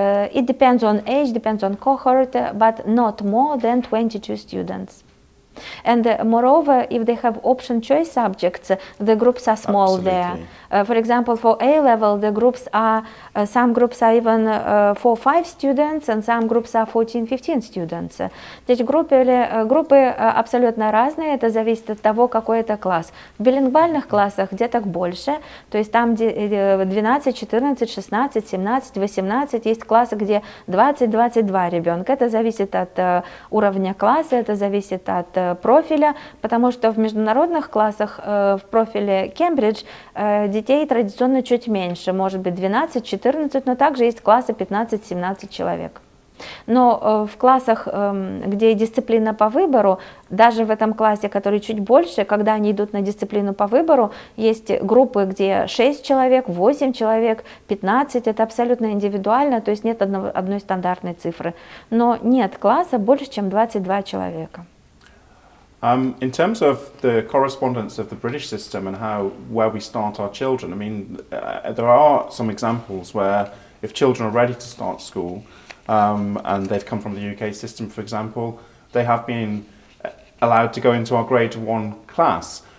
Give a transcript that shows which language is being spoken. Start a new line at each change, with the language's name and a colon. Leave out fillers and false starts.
English: It depends on age, depends on cohort, but not more than 22 students. And moreover, if they have option choice subjects, the groups are small. Absolutely. There. For example, for A level, the groups are, some groups are even 4-5 students and some groups are 14-15 students.
Romanian: Deci
Russian: grupy абсолютно разные, это зависит от того, какой это класс. В билингвальных классах деток больше, то есть там 12, 14, 16, 17, 18, есть классы, где 20-22 ребенка. Это зависит от уровня класса, это зависит от профиля, потому что в международных классах в профиле Кембридж детей традиционно чуть меньше, может быть 12-14, но также есть классы 15-17 человек. Но в классах, где дисциплина по выбору, даже в этом классе, который чуть больше, когда они идут на дисциплину по выбору, есть группы, где 6 человек, 8 человек, 15, это абсолютно индивидуально, то есть нет одной стандартной цифры. Но нет класса больше, чем 22 человека.
English: In terms of the correspondence of the British system and how where we start our children, I mean, there are some examples where if children are ready to start school and they've come from the UK system, for example, they have been allowed to go into our grade one class.